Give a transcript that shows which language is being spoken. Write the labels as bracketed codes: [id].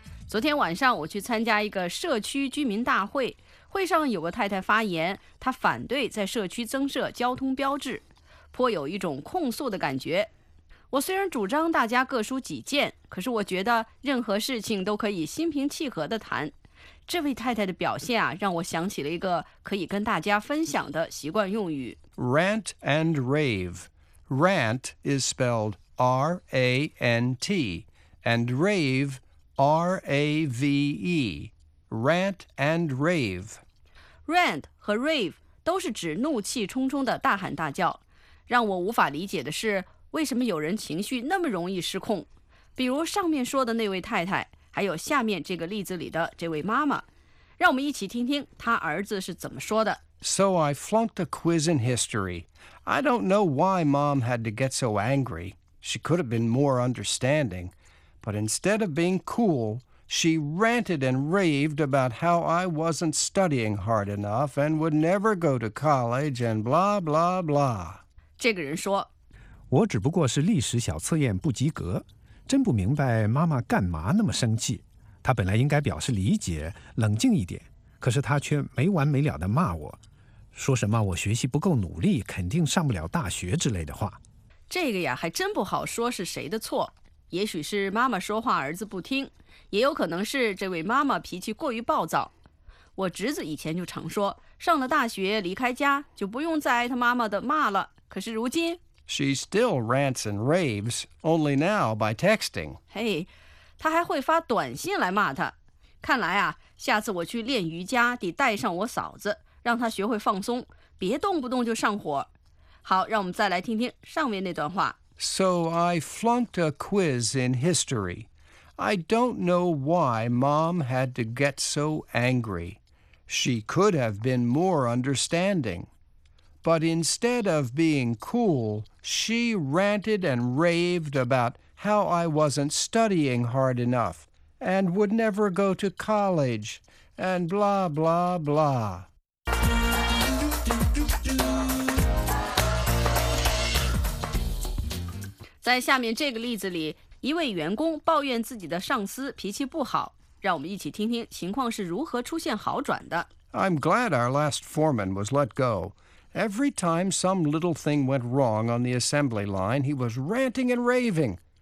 [zh] 昨天晚上我去参加一个社区居民大会，会上有个太太发言，她反对在社区增设交通标志，颇有一种控诉的感觉。我虽然主张大家各抒己见，可是我觉得任何事情都可以心平气和地谈。这位太太的表现啊，让我想起了一个可以跟大家分享的习惯用语 [en] ：rant and rave. Rant is spelled. R-A-N-T, and rave, R-A-V-E, rant and rave. [zh] Rant 和 rave 都是指怒气冲冲的大喊大叫。让我无法理解的是，为什么有人情绪那么容易失控？比如上面说的那位太太，还有下面这个例子里的这位妈妈。让我们一起听听她儿子是怎么说的。 [en] So I flunked a quiz in history. I don't know why Mom had to get so angry. She could have been more understanding. But instead of being cool, she ranted and raved about how I wasn't studying hard enough and would never go to college and blah, blah, blah. [zh] 这个人说，我只不过是历史小测验不及格，真不明白妈妈干嘛那么生气。她本来应该表示理解，冷静一点，可是她却没完没了地骂我，说什么我学习不够努力，肯定上不了大学之类的话。这个呀，还真不好说是谁的错。也许是妈妈说话儿子不听，也有可能是这位妈妈脾气过于暴躁。我侄子以前就常说，上了大学离开家就不用再挨他妈妈的骂了。可是如今 [en] ，She still rants and raves, only now by texting. [zh] 嘿，她还会发短信来骂她。看来啊，下次我去练瑜伽得带上我嫂子，让她学会放松，别动不动就上火。好，让我们再来听听上面那段话。 [en] So I flunked a quiz in history. I don't know why Mom had to get so angry. She could have been more understanding. But instead of being cool, she ranted and raved about how I wasn't studying hard enough and would never go to college and blah, blah, blah. [zh] 在下面这个例子里，一位员工抱怨自己的上司脾气不好，让我们一起听听情况是如何出现好转的。 [en] I'm glad our last foreman was let go. Every time some little thing went wrong on the assembly line, he was ranting and raving.